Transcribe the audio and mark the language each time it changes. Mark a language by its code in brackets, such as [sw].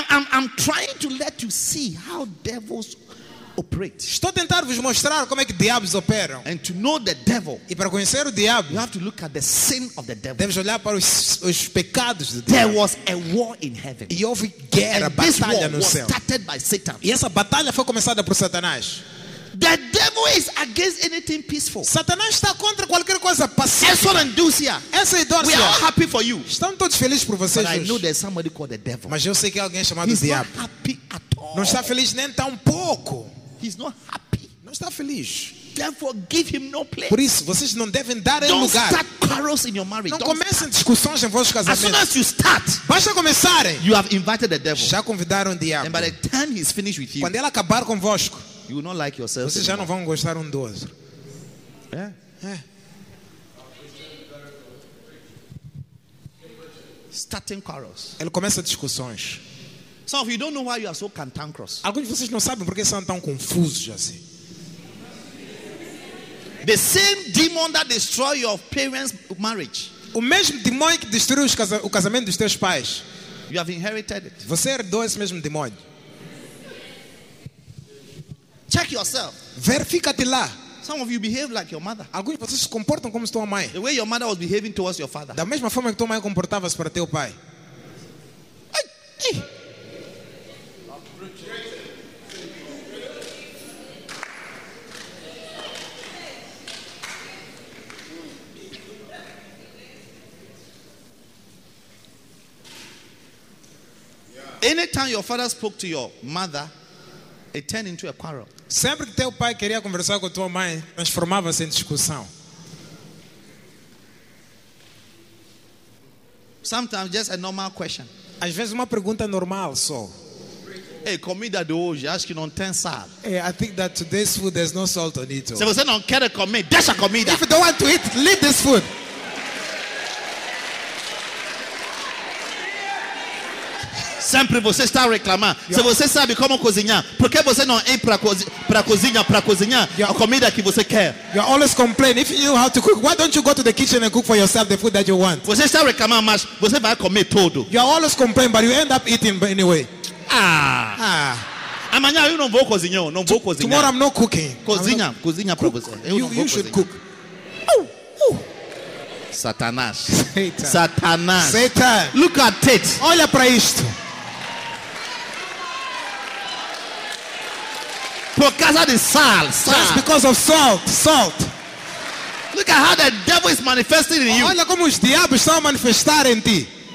[en] I'm trying to let you see how devils operate. [pt] Estou tentando vos mostrar como é que diabos operam. [en] And to know the devil, [pt] e para conhecer o diabo, [en] you have to look at the sin of the devil. [pt] Deves olhar para os pecados do diabo. [en] There was a war in heaven. [pt] E houve guerra, [en] and [pt] batalha [en] this war [pt] no céu. [en] Was started by Satan. [pt] E essa batalha foi começada por Satanás. [en] The devil is against anything peaceful. [pt] Satanás está contra qualquer coisa pacífica. Essa indúcia. Essa idócia. [en] We are all happy for you. [pt] Estamos todos felizes por vocês. [en] But I know there's somebody called the devil. [pt] Mas eu sei que há alguém chamado [en] He's [pt] diabo. [en] He's not happy at all. [pt] Não está feliz nem tão pouco. [en] He's not happy. [pt] Não está feliz. [en] Therefore, give him no place. [pt] Por isso, vocês não devem dar [en] Don't [pt] ele lugar. [en] Don't start quarrels in your marriage. [pt] Não [en] Don't [pt] comecem [en] start. [pt] Discussões em vossos casamentos. [en] As soon as you start, [pt] basta começarem. [en] You have invited the devil. [pt] Já convidaram o diabo. [en] And by the time he's finished with you, [pt] quando ele acabar convosco. [en] You will not like yourself. [pt] Vocês já não vão gostar do outro. [en] Starting quarrels. [pt] Ele começa discussões. [en] So if you don't know why you are so cantankerous. [pt] Alguns de vocês não sabem por que são tão confusos assim. [en] The same demon that destroyed your parents' marriage. [pt] O mesmo demônio que destruiu o casamento dos teus pais. [en] You have inherited it. [pt] Você herdou esse mesmo demônio. [en] Check yourself. [pt] Verifica-te lá. [en] Some of you behave like your mother. [pt] Alguns de vocês se comportam como sua mãe. [en] The way your mother was behaving towards your father. [pt] Da mesma forma que tua mãe comportava-se para teu pai. [en] Anytime your father spoke to your mother, it turned into a quarrel. [pt] Sempre que teu pai queria conversar com tua mãe, transformava-se em discussão. [en] Sometimes just a normal question. Às vezes uma pergunta normal só. [pt] Hey, comida de hoje, acho que não tem sal. [en] Hey, I think that today's food there's no salt on it. [pt] Se você não quer comer, deixa comida. [en] If you don't want to eat, leave this food. [pt] Sempre você está a reclamar. Yeah. Se você sabe como cozinhar, por que você não ir para cozinhar yeah. a comida que você quer? [en] You always complain. If you know how to cook, why don't you go to the kitchen and cook for yourself the food that you want? [pt] Você está a reclamar, mas você vai comer todo. [en] You always complain, but you end up eating anyway. Ah. [pt] Amanhã eu não vou cozinhar, não vou cozinhar. [en] Tomorrow I'm not cooking. [pt] Cozinha, [en] not... [pt] cozinha para você. Eu [en] you, [pt] não vou [en] you should [pt] cozinhar. [en] Cook. [pt] Oh. Satanás. [en] Satan. [pt] Satanás. [en] Satan. Look at it. [pt] Olha para isto. Por causa de sal, [en] just because of salt, salt. Look at how the devil is manifesting in you. [pt] Olha como os diabos estão a manifestar em ti.